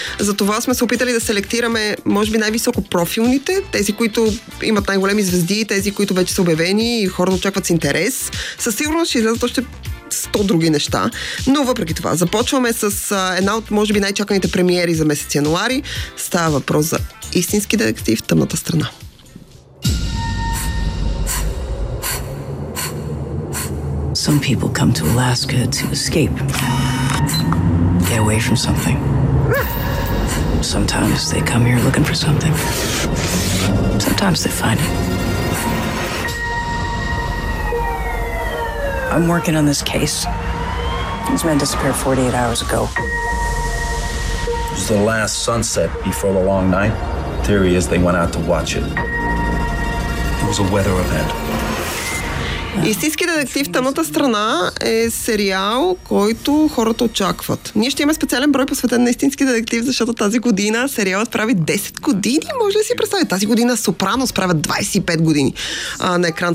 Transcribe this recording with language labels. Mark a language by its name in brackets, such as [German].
[Bulgarian] Затова сме се опитали да селектираме, може би, най-високо профилните, тези, които имат най-големи звезди, тези, които вече са обявени и хората очакват с интерес. Със сигурност ще излязат още 100 други неща. Но въпреки това, започваме с една от, може би, най-чаканите премиери за месец януари. Става въпрос за истински детектив Тъмната страна. [English] Some people come to Alaska to escape. Get away from something. Sometimes they come here looking for something. Sometimes they find it. I'm working on this case. These men disappeared 48 hours ago. It was the last sunset before the long night. Theory is they went out to watch it. It was a weather event. [Bulgarian] Истински детектив Тъмната страна е сериал, който хората очакват. Ние ще имаме специален брой посветен на истински детектив, защото тази година сериалът прави 10 години. Може ли си представи? Тази година Сопрано справят 25 години на екран.